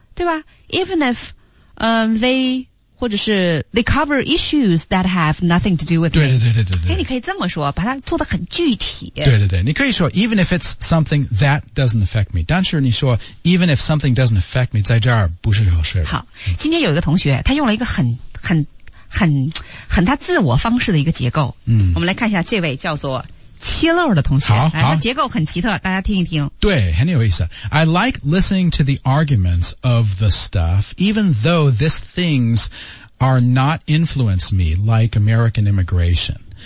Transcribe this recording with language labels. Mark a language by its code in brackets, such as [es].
[zh] 对吧 [en] ？Even if they [zh] 或者是 [en] they cover issues that have nothing to do with [zh] 对对对对对对，哎，你可以这么说，把它做得很具体。对对对，你可以说 [en] even if it's something that doesn't affect me， [zh] 但是你说 [en] even if something doesn't affect me， [zh] 在这儿不是合适的。好，今天有一个同学，他用了一个很他自我方式的一个结构。嗯，我们来看一下这位叫做切漏的同学，好，他结构很奇特，大家听一听。对，很有意思。 [en] I like listening to the arguments of the stuff， even though these things are not influence me like American immigration。